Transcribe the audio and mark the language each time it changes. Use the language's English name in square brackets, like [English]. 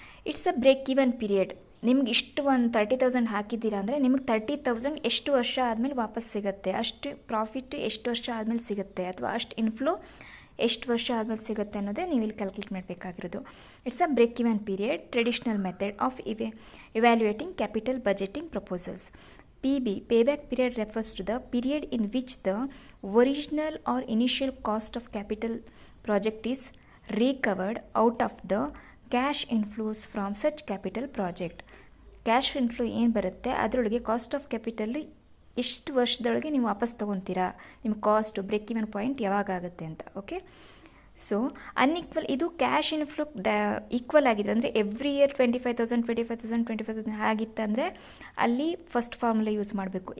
[English] It's a break even period. [Kannada] ನಿಮ್ಗೆ ಇಷ್ಟು ಒಂದು 30,000 ಹಾಕಿದ್ದೀರಾ ಅಂದರೆ ನಿಮಗೆ 30,000 ಎಷ್ಟು ವರ್ಷ ಆದಮೇಲೆ ವಾಪಸ್ ಸಿಗುತ್ತೆ, ಅಷ್ಟು ಪ್ರಾಫಿಟ್ ಎಷ್ಟು ವರ್ಷ ಆದಮೇಲೆ ಸಿಗುತ್ತೆ, ಅಥವಾ ಅಷ್ಟು ಇನ್ಫ್ಲೋ ಎಷ್ಟು ವರ್ಷ ಆದಮೇಲೆ ಸಿಗುತ್ತೆ ಅನ್ನೋದೇ ನೀವು ಇಲ್ಲಿ ಕ್ಯಾಲ್ಕುಲೇಟ್ ಮಾಡಬೇಕಾಗಿರೋದು. [English] It's a break even period, traditional method of evaluating capital budgeting proposals. PB, payback period refers to the period in which the original or initial cost of capital project is recovered out of the cash inflows from such capital project. [Kannada] Cash inflow ಏನು ಬರುತ್ತೆ ಅದರೊಳಗೆ cost of capital ಎಷ್ಟು ವರ್ಷದೊಳಗೆ ನೀವು ವಾಪಸ್ ತೊಗೊತೀರಾ, ನಿಮ್ಮ cost break even point ಯಾವಾಗತ್ತೆ ಅಂತ. Okay, so unequal, ಇದು ಕ್ಯಾಶ್ ಇನ್ಫ್ಲೋ ಈಕ್ವಲ್ ಆಗಿದೆ ಅಂದರೆ ಎವ್ರಿ ಇಯರ್ 25,000 ಆಗಿತ್ತಂದರೆ ಅಲ್ಲಿ ಫಸ್ಟ್ ಫಾರ್ಮುಲಾ ಯೂಸ್ ಮಾಡಬೇಕು.